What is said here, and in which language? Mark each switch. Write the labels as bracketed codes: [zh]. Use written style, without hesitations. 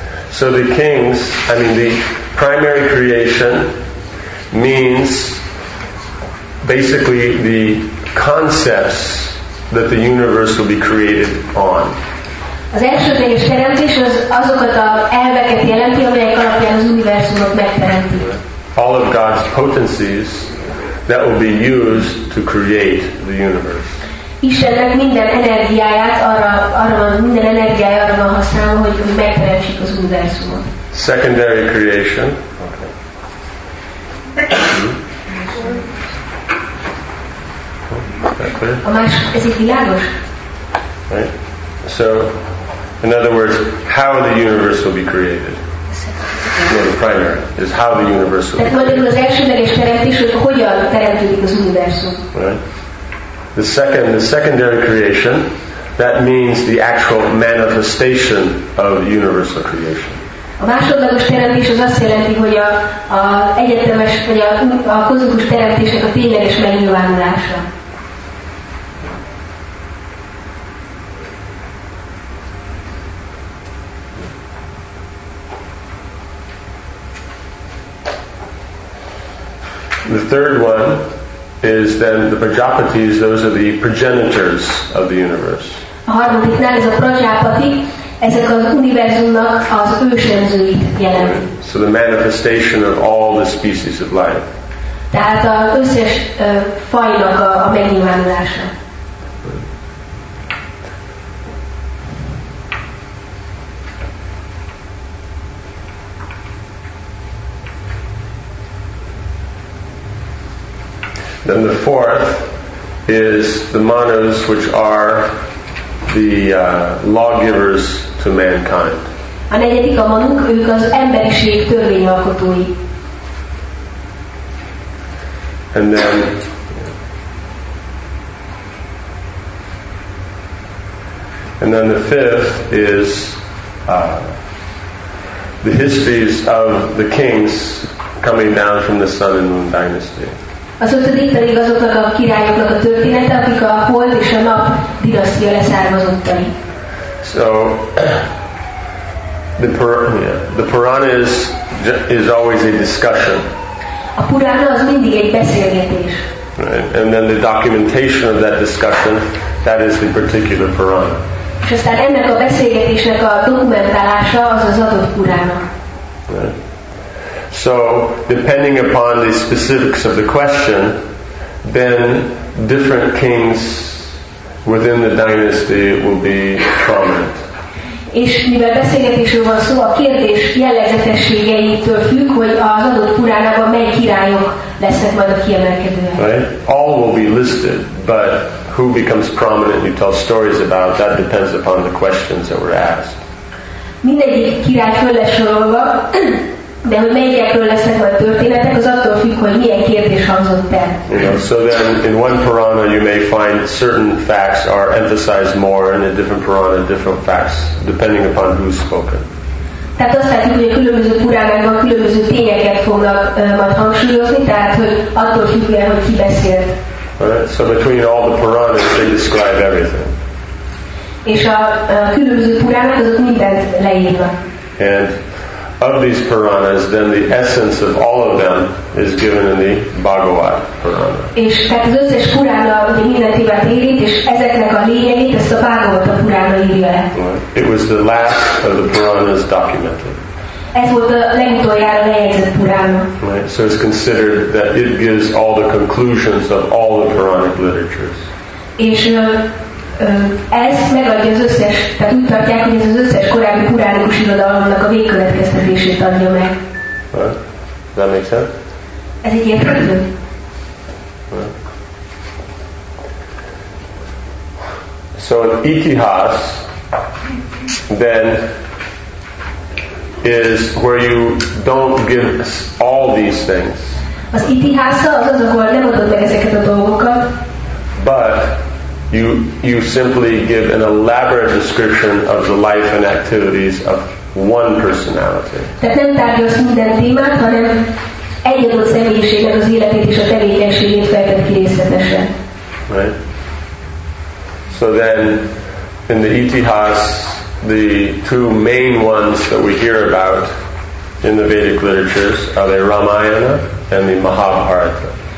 [en] so the kings, I mean the primary creation means basically the concepts that the universe will be created on. [hu] Az elsődleges teremtés az azokat a elveket jelenti, amelyek alapján az univerzumot megteremti. [en] All of God's potencies that will be used to create the universe. [hu] Istennek minden energiáját arra van használva, hogy megteremtsék az univerzumot. [en] Secondary creation. [hu] A más, ez egy világos? [en] Right. So, in other words, how the universe will be created. No, the primary is how the universe will be created. [hu] Tehát magyarul az elsődleges teremtés, hogy hogyan teremtődik az univerzum. [en] Right. The secondary creation, that means the actual manifestation of universal creation. [hu] A másodlagos teremtés az azt jelenti, hogy a egyetemes vagy a kozmikus teremtésnek a tényleges megnyilvánulása. [en] The third one is then the Prajapatis, those are the progenitors of the universe. [hu] A harmadiknál ez a Prajapati, ezek az univerzumnak az ősönzői jelenti. [en] So the manifestation of all the species of life. [hu] Tehát az összes fajnak a megnyilvánulása. [en] Then the fourth is the Manus, which are the lawgivers to mankind. [hu] A negyedik a Manuk, ők az emberiség törvényalkotói. [en] And then the fifth is the histories of the kings coming down from the Sun and Moon dynasty. [hu] Az ötödik pedig azoknak a királyoknak a története, akik a Hold és a Nap dinasztia leszármazottai. [en] So the Purana is always a discussion. [hu] A Purana az mindig egy beszélgetés. [en] Right. And then the documentation of that discussion, that is the particular Purana. [hu] És aztán ennek a beszélgetésnek a dokumentálása az az adott Purana. [en] So, depending upon the specifics of the question, then different kings within the dynasty will be prominent. [hu] És mivel beszélgetésről van szó, a kérdés jellegzetességeitől függ, hogy az adott Puránában mely királyok lesznek majd a kiemelkedőek. [en] Right? All will be listed, but who becomes prominent, you tell stories about, that depends upon the questions that were asked. [hu] Mindegyik király föl lesz sorolva, de hogy melyikekről lesznek majd történetek, az attól függ, hogy milyen kérdés hangzott el. [en] You know, so then in one Purana you may find certain facts are emphasized more, in a different Purana different facts, depending upon who's spoken. [hu] Tehát azt látjuk, hogy a különböző Puránákban különböző tényeket fognak majd hangsúlyozni, tehát hogy attól függ, milyen, hogy ki beszélt. [en] Right? So between all the Puranas they describe everything. [hu] És a különböző Puránák azok mindent leírnak. [en] And of these Puranas, then the essence of all of them is given in the Bhagavad Purana. [hu] És tehát az összes Purana ugye mindentivel érint, és ezeknek a lényeit, ezt a Bhagavad Purana írja le. [en] It was the last of the Puranas documented. [hu] Ez volt a legutoljára lejegyzett Purana. [en] Right. So it's considered that it gives all the conclusions of all the Puranic literatures. [hu] És ez megadja az összes, tehát úgy tartják, hogy ez az összes korábbi puránikus irodalomnak a végkövetkeztetését adja meg. [en] Does that make sense? [hu] Ez egy értelmű. [en] So an itihas then is where you don't give all these things. [hu] Az itihasza az az, ahol nem adod meg ezeket a dolgokat. [en] But You simply give an elaborate description of the life and activities of one personality. [hu] Tehát nem tárgyalsz minden témát, hanem egy adott személyiségnek az életét és a tevékenységét fejted ki részletesen. [en] Right. So then, in the itihas, the two main ones that we hear about in the Vedic literatures are the Ramayana and the Mahabharata.